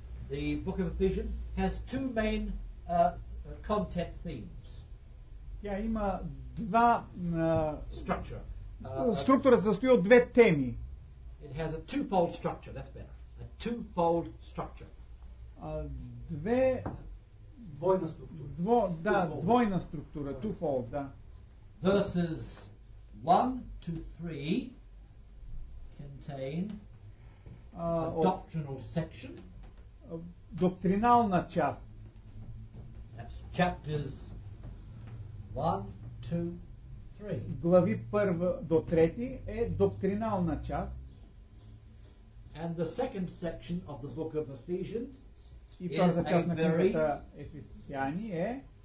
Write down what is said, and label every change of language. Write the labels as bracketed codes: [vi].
[en] the book of Ephesians has two main content themes. [bg] Тя има два [en] structure. [bg] Структурата състои от две теми. [en] It has a two-fold structure, that's better. A two-fold structure. [bg] Две двойна структура. Да, two-fold. Двойна структура, two-fold, да. [en] Verses 1 to 3 contain a doctrinal section. [bg] Доктринална част. [en] That's chapters 1, 2, 3. [bg] Глави 1 до 3 е доктринална част. [en] And the second section of the book of Ephesians is a very [bg] Ефесяни е